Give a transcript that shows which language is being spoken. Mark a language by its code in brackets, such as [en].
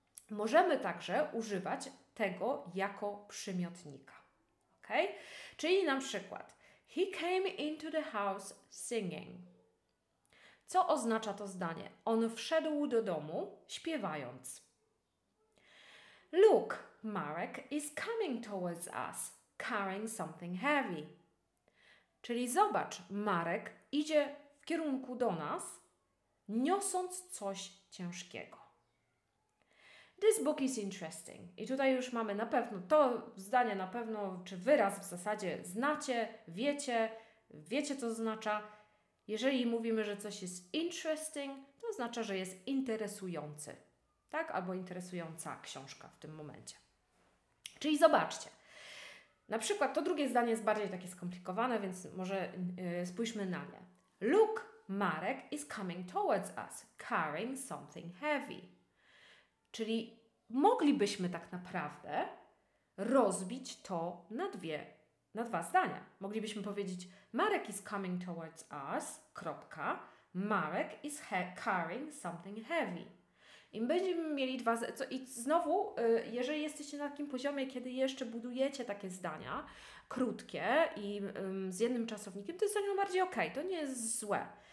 [pl] Możemy także używać tego jako przymiotnika. Okay? Czyli na przykład [en] he came into the house singing. [pl] Co oznacza to zdanie? On wszedł do domu śpiewając. [en] Look, Marek is coming towards us carrying something heavy. [pl] Czyli zobacz, Marek idzie w kierunku do nas niosąc coś ciężkiego. [en] This book is interesting. [pl] I tutaj już mamy na pewno to zdanie, na pewno, czy wyraz w zasadzie znacie, wiecie co oznacza. Jeżeli mówimy, że coś jest interesting, to oznacza, że jest interesujący, tak? Albo interesująca książka w tym momencie. Czyli zobaczcie. Na przykład to drugie zdanie jest bardziej takie skomplikowane, więc może spójrzmy na nie. [en] Look, Marek is coming towards us, carrying something heavy. [pl] Czyli moglibyśmy tak naprawdę rozbić to na 2 zdania. Moglibyśmy powiedzieć [en] Marek is coming towards us, [pl] kropka, [en] Marek is carrying something heavy. [pl] I będziemy mieli 2... I znowu, jeżeli jesteście na takim poziomie, kiedy jeszcze budujecie takie zdania krótkie i z jednym czasownikiem, to jest zdanie bardziej ok, to nie jest złe.